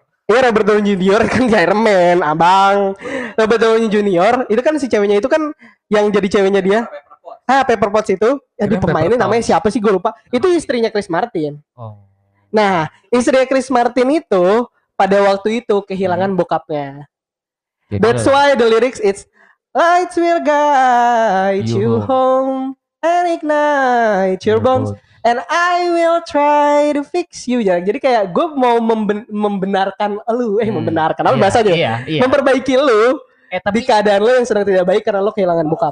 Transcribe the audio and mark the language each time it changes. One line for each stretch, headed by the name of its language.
Indonesian: Iya, Robert Downey Jr. kan di Iron Man, Abang. Robert Downey Jr. itu kan si ceweknya itu kan yang jadi ceweknya dia. Paper Potts itu ya di pemainnya namanya siapa sih gue lupa. Itu istrinya Chris Martin. Oh. Nah, istrinya Chris Martin itu pada waktu itu kehilangan bokapnya. Jadi
English: that's why the lyrics it's lights will guide you home and ignite your bones and I will try to fix you.
Indonesian: Jadi kayak gue mau membenarkan lu, membenarkan apa bahasanya? Iya. Memperbaiki lu tapi di keadaan lu yang sedang tidak baik karena lu kehilangan bokap.